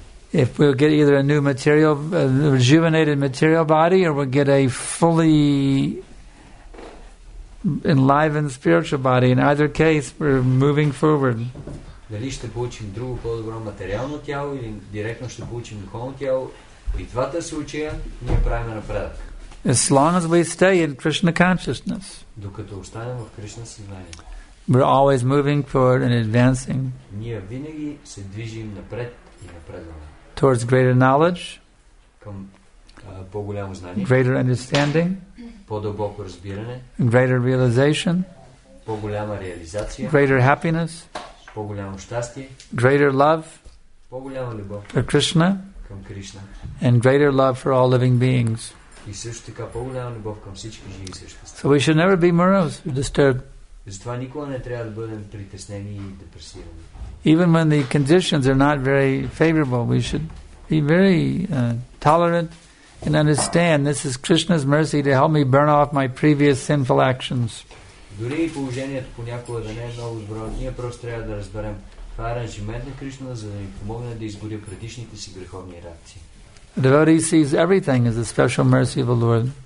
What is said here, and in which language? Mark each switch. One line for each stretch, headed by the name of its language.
English: If we'll get either a new material, a rejuvenated material body, or we'll get a fully enlivened spiritual body, in either case, we're moving forward.
Bulgarian: Дали ще получим друго по-добро материално тяло или директно ще получим духовно тяло, при двата случая ние правим напредък.
English: As long as we stay in Krishna consciousness,
Bulgarian: докато останем в Кришна съзнание,
English: we're always moving forward and advancing.
Bulgarian: Ние винаги се движим напред и напредваме.
English: Towards greater knowledge,
Bulgarian: по-голямо знание,
English: greater understanding,
Bulgarian: по-дълбоко разбиране,
English: greater realization,
Bulgarian: по-голяма реализация,
English: greater happiness,
Bulgarian: по-голямо щастие,
English: greater love,
Bulgarian: по-голяма любов,
English: for Krishna,
Bulgarian: към Кришна,
English: and greater love for all living beings.
Bulgarian: И също така по-голяма любов към всички живи същества.
English: So we should never be morose or disturbed.
Bulgarian: Затова никога не трябва да бъдем притеснени и депресирани.
English: Even when the conditions are not very favorable, we should be very tolerant and understand this is Krishna's mercy to help me burn off my previous sinful actions.
Bulgarian: Дори положението понякога да не е много добро, ние просто трябва да разберем това е аранжимент на Кришна, за да ни помогне да изгоря предишните си греховни реакции.
English: A devotee sees everything as a special mercy of the Lord.